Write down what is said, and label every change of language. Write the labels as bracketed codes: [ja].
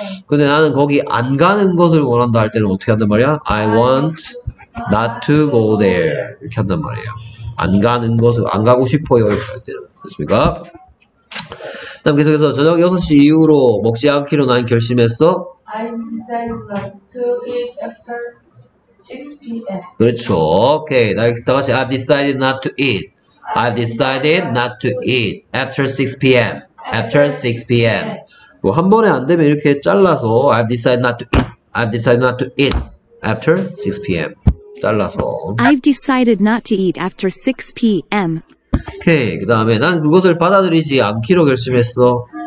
[ko] 근데 나는 거기 안 가는 것을 원한다 할 때는 어떻게 한단 말이야? [en] I want not to go there [ko] 이렇게 한단 말이에요. 안 가는 것을 안 가고 싶어요 이렇게 할 때는. 됐습니까? 그럼 계속해서 저녁 6시 이후로 먹지 않기로 난 결심했어. [en] I decided not to eat after 6 p.m. [ko] 그렇죠. 오케이. 나 다시 [en] I've decided not to eat. I've decided not to eat after 6 p.m. after 6 p.m. [ko] 뭐한 번에 안 되면 이렇게 잘라서 [en] I've decided not to eat after 6 p.m. [ko] 잘라서. [en] I've decided not to eat after 6 p.m. [ko] 오케이. 그 다음에 난 그것을 받아들이지 않기로 결심했어.